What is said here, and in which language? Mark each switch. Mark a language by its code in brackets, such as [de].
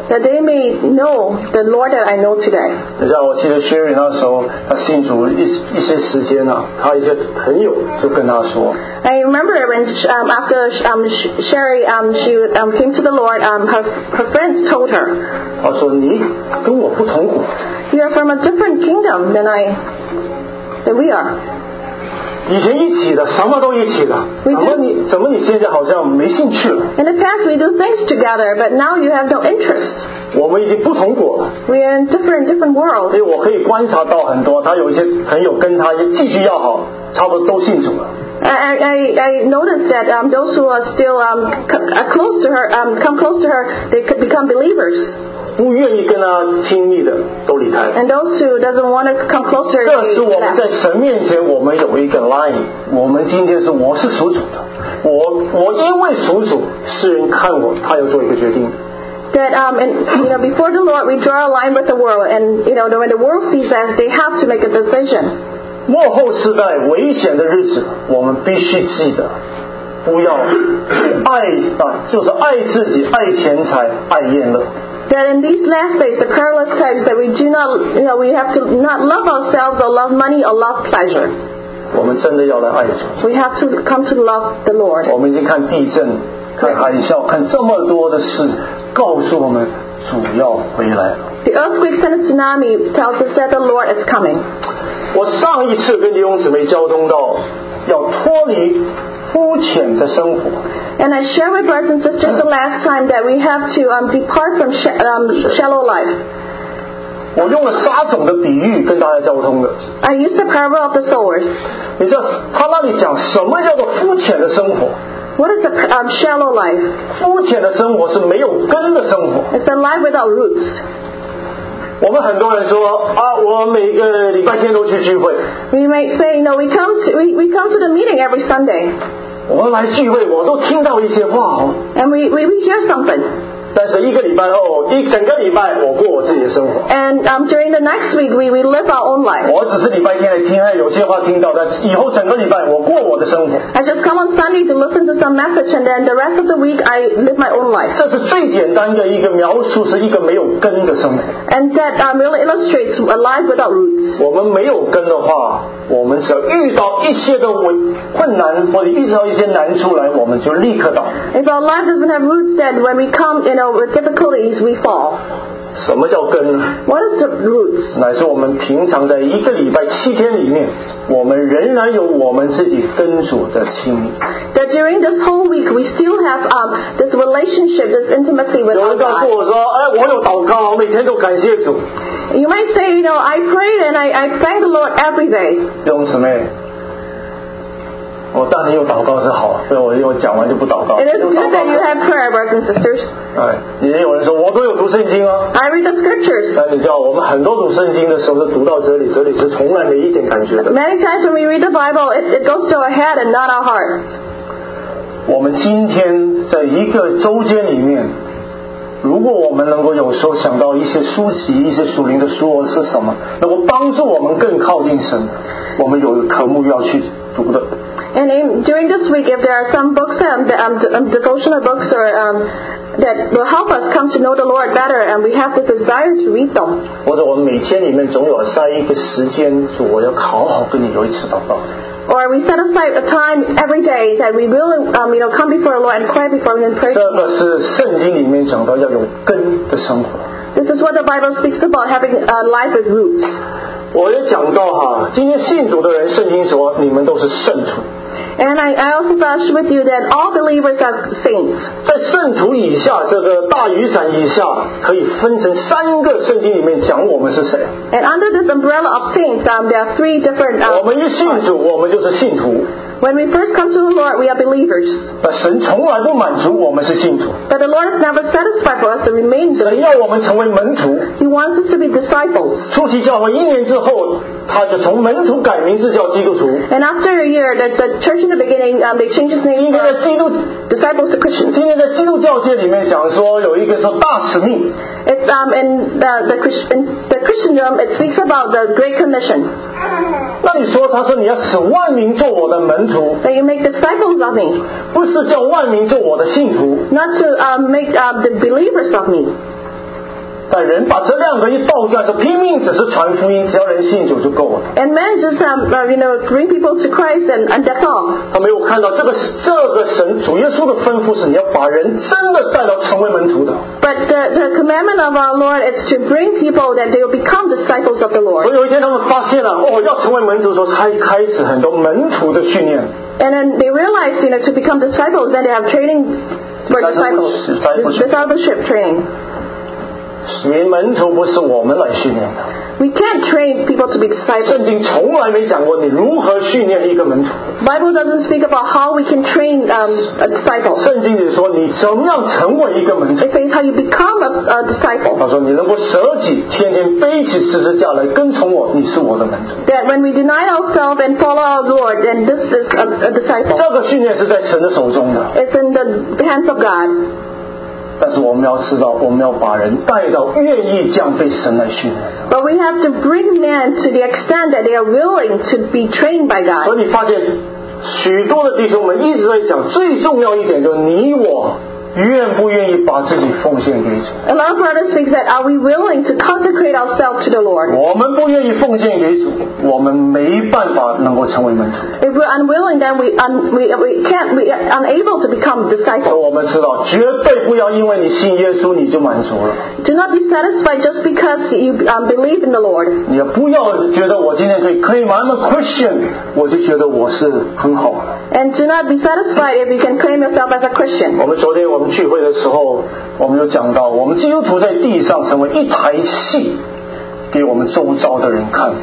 [en] That they may know the Lord that I know today. [zh] 你知道，我记得 Sherry 那时候他信主一些时间了、啊，他一些朋友就跟他说。 [en] I remember when after Sherry she came to the Lord, her friends told her. [zh] 他说你跟我不同国。 [en] You're from a different kingdom than I. Than we are. [zh] 以前一起的，什么都一起的。怎么你现在好像没兴趣了 [en] ？In the past we do things together, but now you have no interest. [zh] 我们已经不同国了。 [en] We are in different world. [zh] 所以我可以观察到很多，他有一些朋友跟他继续要好，差不多都信主了。 [en] I noticed that those who are still close to her, come close to her, they could become believers. [zh] 不愿意跟她亲密的都离开。 [en] And those who doesn't want to come close to her, [zh] 这是我们在神面前，我们有一个 line. 我们今天是我是属主的，我因为属主，世人看我，他要做一个决定。 [en] That and you know before the Lord, we draw a line with the world, and you know when the world sees us, they have to make a decision. [zh] 末后世代危险的日子，我们必须记得，不要去爱啊，就是爱自己、爱钱财、爱宴乐。 [en] That in these last days, the perilous times, that we do not, you know, we have to not love ourselves or love money or love pleasure. [zh] 我们真的要来爱主。 [en] We have to come to love the Lord. [zh] 我们已经看地震、看海啸、看这么多的事，告诉我们主要回来了。 [en] The earthquakes and the tsunami tells us that the Lord is coming. [zh] 我上一次跟弟兄姊妹交通到，要脱离肤浅的生活。 [en] And I share with brothers and sisters the last time that we have to depart from shallow life. [zh] 我用了撒种的比喻跟大家交通的。 [en] I used the parable of the sowers. [zh] 你知道他那里讲什么叫做肤浅的生活？ [en] What is a shallow life? [zh] 肤浅的生活是没有根的生活。 [en] It's a life without roots. [zh] 我们很多人说啊，我每个礼拜天都去聚会。 [en] We may say, you know, we come to the meeting every Sunday. [zh] 我们来聚会，我都听到一些话哦。 [en] And we hear something. [zh] 但是一个礼拜后，一整个礼拜我过我自己的生活。 [en] And during the next week we live our own life. [zh] 我只是礼拜天来听，有些话听到，但以后整个礼拜我过我的生活。 [en] I just come on Sunday to listen to some message, and then the rest of the week I live my own life. [zh] 这是最简单的一个描述，是一个没有根的生活。 [en] And that really illustrates a life without roots. [zh] 我们没有根的话，我们只要遇到一些的困难，或者遇到一些难处来，我们就立刻倒。 [en] If our life doesn't have roots, then when we come in. So with difficulties, we fall. [zh] 什么叫根？ [en] What is the roots? [zh] 乃是我们平常在一个礼拜七天里面，我们仍然有我们自己跟主的亲密。 [en] That during this whole week, we still have this relationship, this intimacy with God. [zh] 有人告诉我说，哎，我有祷告，我每天都感谢主。 [en] You might say, you know, I pray and I thank the Lord every day. [zh] 用什么？我当然有祷告是好，所以我又讲完就不祷告。 [en] It is good that you have prayer, brothers and sisters. [zh] 哎，也有人说我都有读圣经啊。 [en] I read the scriptures. [zh] 但你知道，我们很多读圣经的时候是读到这里是从来没一点感觉的。 [en] Many times when we read the Bible, it goes to our head and not our hearts. [zh] 我们今天在一个周间里面，如果我们能够有时候想到一些书籍，一些属灵的书是什么，能够帮助我们更靠近神，我们有一个科目要去读的。 [en] And in, during this week, if there are some books, devotional books, or that will help us come to know the Lord better, and we have the desire to read them. [zh] 或者我们每天里面总有塞一个时间，主，我要好好跟你有一次祷告。 [en] Or we set aside a time every day that we will, come before the Lord and quiet before Him and pray. [zh] 这个是圣经里面讲到要有根的生活。 [en] This is what the Bible speaks about, having a life with roots. [zh] 我也讲到哈，今天信主的人，圣经说你们都是圣徒。 [en] And I also brush with you that all believers are saints. [zh] 在圣徒以下，这个大雨伞以下，可以分成三个圣经里面讲我们是谁。 [en] And under this umbrella of saints, there are three different. [zh] 我们一信主，我们就是信徒。 [en] When we first come to the Lord, we are believers. [zh] 神从来不满足我们是信徒。 [en] But the Lord is never satisfied for us to remain believers. [zh] 神要我们成为门徒。 [en] He wants us to be disciples. [zh] 初期教会一年之后，他就从门徒改名字叫基督徒。 [en] And after a year, the church in the beginning, they changed his name. [zh] 今天在基督 [en] disciples to Christians. [zh] 今天在基督教界里面讲说有一个说大使命。 [en] It's in the Christendom, it speaks about the Great Commission. [zh] 那你说，他说你要使万民做我的门。 [en] That you make disciples of me. [zh] 不是叫万民做我的信徒。 [en] Not to make the believers of me. [zh] 但人把这两个一倒下，就拼命只是传福音，只要人信主就够了。 [en] And man just bring people to Christ and that's all. [zh] 他没有看到这个神主耶稣的吩咐是你要把人真的带到成为门徒的。 [en] But the commandment of our Lord is to bring people that they will become disciples of the Lord. [zh] 所以有一天他们发现了，要成为门徒的时候，才开始很多门徒的训练。 [en] And then they realized, to become disciples, then they have training for disciples, discipleship training. [zh] 门徒不是我们来训练的。 [en] We can't train people to be disciples. [zh] 圣经从来没讲过你如何训练一个门徒。 [en] Bible doesn't speak about how we can train a disciple. [zh] 圣经里说你怎么样成为一个门徒。 [en] It says how you become a disciple. [zh] 他说你能够舍己，天天背起十字架来跟从我，你是我的门徒。 [en] That when we deny ourselves and follow our Lord, then this is a disciple. [zh] 这个训练是在神的手中的。 [en] It's in the hands of God. [zh] 但是我们要知道，我们要把人带到愿意降被神来训练。 [en] But we have to bring men to the extent that they are willing to be trained by God. [zh] 所以你发现，许多的弟兄们一直在讲，最重要一点就是你我愿不愿意把自己奉献给主。 [en] A lot of brothers think that are we willing to consecrate ourselves to the Lord? [zh] 我们不愿意奉献给主，我们没办法能够成为门徒。 [en] If we're unwilling, then we are unable to become disciples. [zh] 我们知道，绝对不要因为你信耶稣你就满足了。 [en] Do not be satisfied just because you believe in the Lord. [zh] 你也不要觉得我今天可以 [en] I'm a Christian, [zh] 我就觉得我是很好了。 [en] And do not be satisfied if you can claim yourself as a Christian. [zh] 我们昨天我们聚会的时候，我们有讲到，我们基督徒在地上成为一台戏，给我们周遭的人看。